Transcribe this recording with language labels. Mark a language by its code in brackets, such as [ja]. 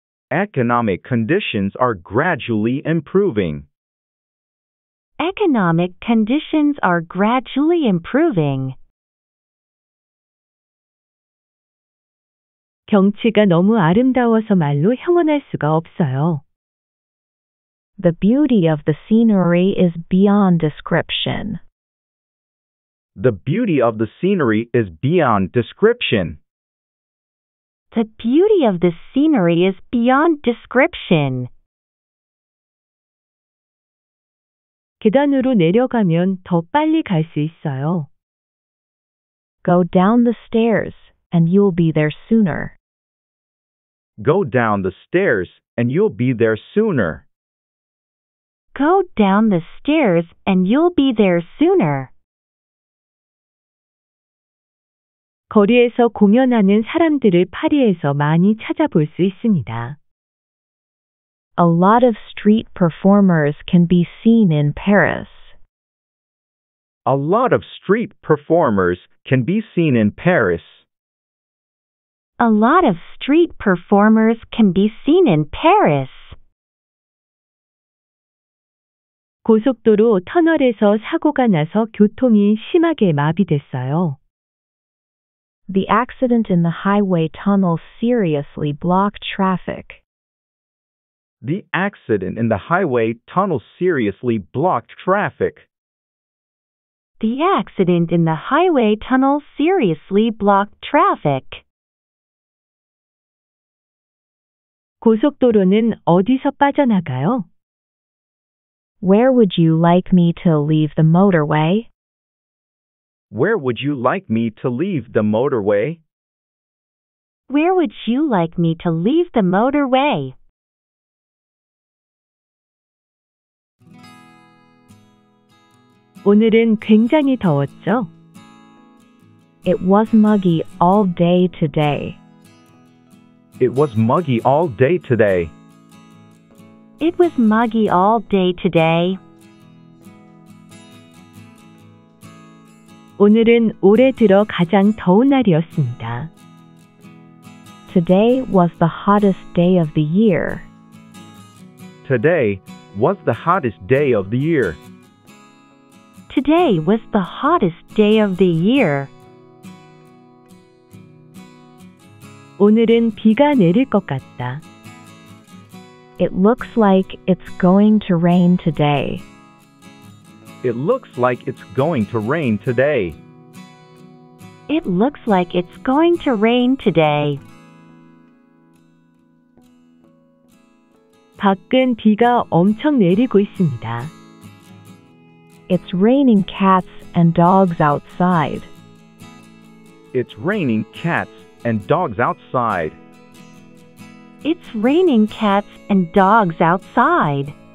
[en] Economic conditions are gradually improving. economic conditions are gradually improving. [ko] 경치가 너무 아름다워서 말로 형언할 수가 없어요. [en] The beauty of the scenery is beyond description. The beauty of the scenery is beyond description. The beauty of the scenery is beyond description. [ko] 계단으로 내려가면 더 빨리 갈 수 있어요. [en] Go down the stairs and you'll be there sooner. Go down the stairs and you'll be there sooner. Go down the stairs and you'll be there sooner. [ko] 거리에서 공연하는 사람들을 파리에서 많이 찾아볼 수 있습니다. [en] A lot of street performers can be seen in Paris. A lot of street performers can be seen in Paris. A lot of street performers can be seen in Paris. [ko] 고속도로 터널에서 사고가 나서 교통이 심하게 마비됐어요. [en] The accident in the highway tunnel seriously blocked traffic. The accident in the highway tunnel seriously blocked traffic. The accident in the highway tunnel seriously blocked traffic. [ko] 고속도로는 어디서 빠져나가요? [en] Where would you like me to leave the motorway? Where would you like me to leave the motorway? Where would you like me to leave the motorway? [ko] 오늘은 굉장히 더웠죠? [en] It was muggy all day today. It was muggy all day today. It was muggy all day today. [ko] 오늘은 올해 들어 가장 더운 날이었습니다. [en] Today was the hottest day of the year. Today was the hottest day of the year. Today was the hottest day of the year. [ko] 오늘은 비가 내릴 것 같다. [en] It looks like it's going to rain today. It looks like it's going to rain today. It looks like it's going to rain today. [ko] 밖은 비가 엄청 내리고 있습니다. [en] It's raining cats and dogs outside. It's raining cats and dogs outside. It's raining cats and dogs outside.